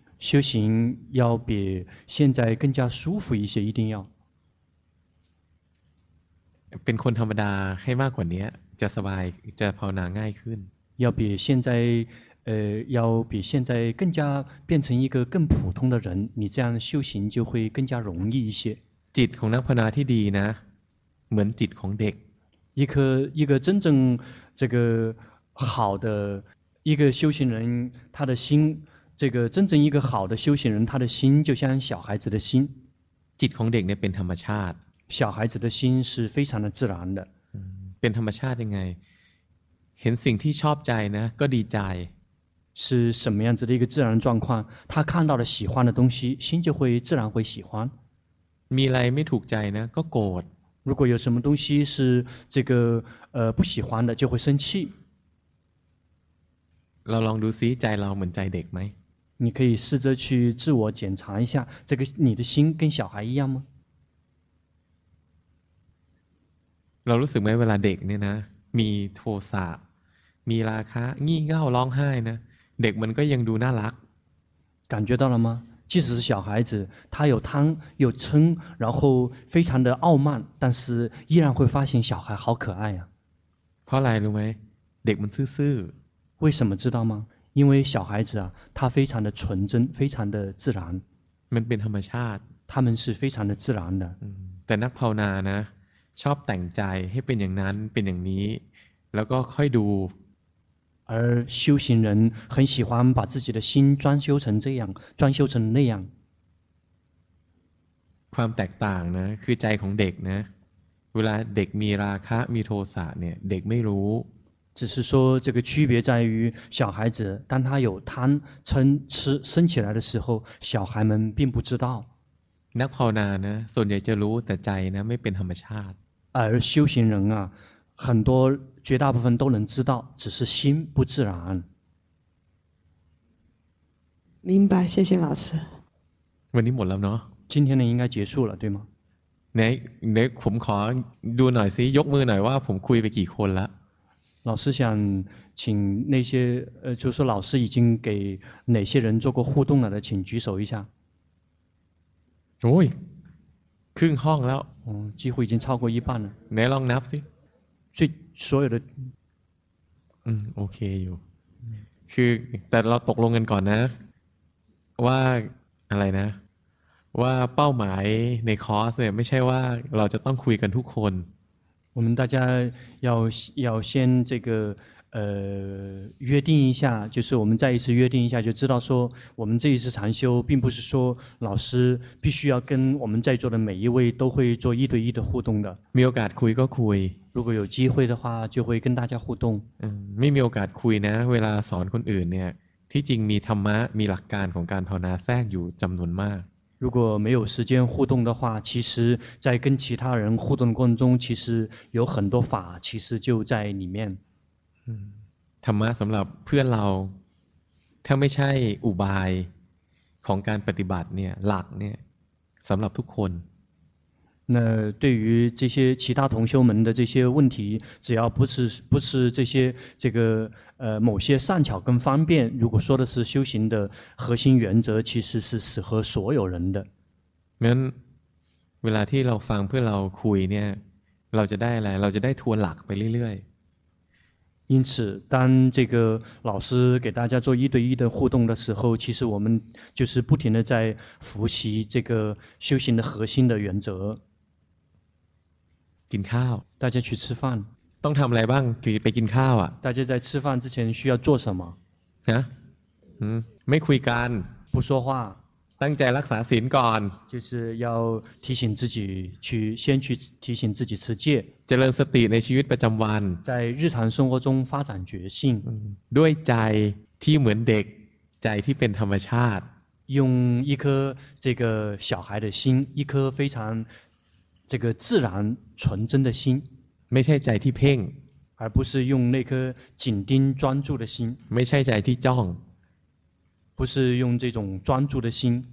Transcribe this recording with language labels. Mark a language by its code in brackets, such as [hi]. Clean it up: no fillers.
[zh] 修行要比现在更加舒服一些一定要 [th] เป็นคนธรรมดาให้มากกว่านี้จะสบายจะภาวนาง่ายขึ้น [zh] 要比现在要比现在更加变成一个更普通的人，你这样修行就会更加容易一些。 [th] จิตของนักภาวนาที่ดีนะเหมือนจิตของเด็ก [zh] 一个真正这个好的一个修行人，他的心这个真正一个好的修行人，他的心就像小孩子的心。 [th] จิตของเด็กเนี่ยเป็นธรรมชาติ [zh] 小孩子的心是非常的自然的。 [th] เป็นธรรมชาติยังไงเห็นสิ่งที่ชอบใจนะก็ดีใจ [zh] 是什么样子的一个自然状况，他看到了喜欢的东西心就会自然会喜欢。 [th] มีอะไรไม่ถูกใจนะก็โกรธ [zh] 如果有什么东西是这个不喜欢的就会生气。 [th] เราลองดูซิใจเราเหมือนใจเด็กไหม [zh] 你可以试着去自我检查一下，这个你的心跟小孩一样吗？ [th] เรารู้สึกไหมเวลาเด็กเนี่ยนะมีโทสะมีราคะงี่เง่าร้องไห้นะเด็กมันก็ยังดูน่ารัก [zh] 感觉到了吗？即使是小孩子，他有贪有嗔，然后非常的傲慢，但是依然会发现小孩好可爱呀。 [th] เพราะอะไรรู้ไหมเด็กมันซื่อ [zh] ๆ为什么知道吗？因为小孩子啊，他非常的纯真，非常的自然。 [th] มันเป็นธรรมชาติ [zh] 他们是非常的自然的。 [th] แต่นักภาวนานะชอบแต่งใจให้เป็นอย่างนั้นเป็นอย่างนี้แล้วก็ค่อยดู [zh] 而修行人很喜欢把自己的心装修成这样装修成那样 [th] ความแตกต่างนะคือใจของเด็กนะเวลาเด็กมีราคะมีโทสะเนี่ยเด็กไม่รู้ [zh] 只是说这个区别在于小孩子当他有贪嗔痴生起来的时候小孩们并不知道 [th] นักภาวนานะส่วนใหญ่จะรู้แต่ใจนะไม่เป็นธรรมชาติ [zh] 而修行人啊很多绝大部分都能知道只是心不自然明白谢谢老师 [th] วันนี้หมดแล้วเนาะ [zh] 今天呢应该结束了对吗 [th] ไหนผมขอดูหน่อยสิยกมือหน่อยว่าผมคุยไปกี่คนละ [zh] 老师想请那些就是说老师已经给哪些人做过互动了的请举手一下 [th] โอ้ยครึ่งห้องแล้ว [zh] 几乎已经超过一半了 [th] ไหนลองนับสิ [zh] 最所有的 [th] โอเคอยู่คือแต่เราตกลงกันก่อนนะว่าอะไรนะว่าเป้าหมายในคอร์สเนี่ยไม่ใช่ว่าเราจะต้องคุยกันทุกคน [zh] 我们大家要先这个约定一下就是我们再一次约定一下就知道说我们这一次禅修并不是说老师必须要跟我们在座的每一位都会做一对一的互动的 [th] มีโอกาสคุยก็คุย [zh] 如果有机会的话就会跟大家互动 [th] ไม่มีโอกาสคุยนะเวลาสอนคนอื่นเนี่ยที่จริงมีธรรมะมีหลักการของการภาวนาแทรกอยู่จำนวนมาก [zh] 如果没有时间互动的话其实在跟其他人互动的过程中其实有很多法其实就在里面 [th] ธรรมะสำหรับเพื่อนเราถ้าไม่ใช่อุบายของการปฏิบัติเนี่ยหลักเนี่ยสำหรับทุกคน [zh] 那对于这些其他同修们的这些问题只要不是这些这个某些善巧跟方便如果说的是修行的核心原则其实是适合所有人的 [th] งั้นเวลาที่เราฟังเพื่อนเราคุยเนี่ยเราจะได้อะไรเราจะได้ทวนหลักไปเรื่อย [zh] 因此当这个老师给大家做一对一的互动的时候，其实我们就是不停地在复习这个修行的核心的原则。 [th] กินข้าว [zh] 大家去吃饭 [th] ต้องทำอะไรบ้างคือไปกินข้าวอ่ะ [zh] 大家在吃饭之前需要做什么 [th] ฮะไม่คุยกัน [zh] 不说话 [th] ตั้งใจรักษาศีลก่อน [zh] 就是要提醒自己去先去提醒自己持戒 [th] เจริญสติในชีวิตประจำวัน [zh] 在日常生活中发展觉性 [th] ด้วยใจที่เหมือนเด็กใจที่เป็นธรรมชาติ [zh] 用一颗这个小孩的心一颗非常这个自然纯真的心 [th] ไม่ใช่ใจที่เพ่ง [zh] 而不是用那颗紧盯专注的心 [th] ไม่ใช่ใจที่จ้อง ไม่ใช่ [zh] 用这种专注的心